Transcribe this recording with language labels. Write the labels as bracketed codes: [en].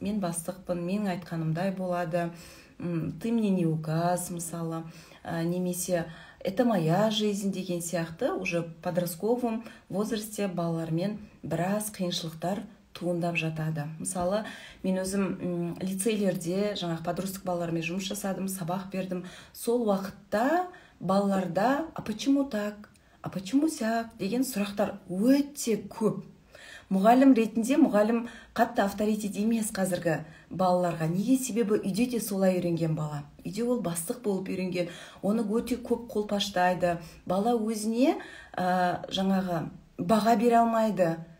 [kk] Мен бастықпын, мен айтқанымдай болады, [ru] ты мне не указ, [kk] мысалы, немесе [ru] это моя жизнь [kk] деген сияқты [ru] уже подростковым возрасте [kk] балалармен біраз қиыншылықтар туындап жатады. Мысалы, мен өзім лицейлерде жаңа подросток балалармен жұмыс жасадым, сабақ бердім. Сол уақытта балаларда [ru] «А почему так?», «А почему сяк?» [kk] деген сұрақтар өте көп. Мұғалім ретінде, мұғалім қатты авторитет емес қазіргі балаларға. Неге себебі үйде де солай үйренген бала? Үйде ол бастық болып үйренген, оны өте көп қолпаштайды. Бала өзіне жаңағы баға бере алмайды.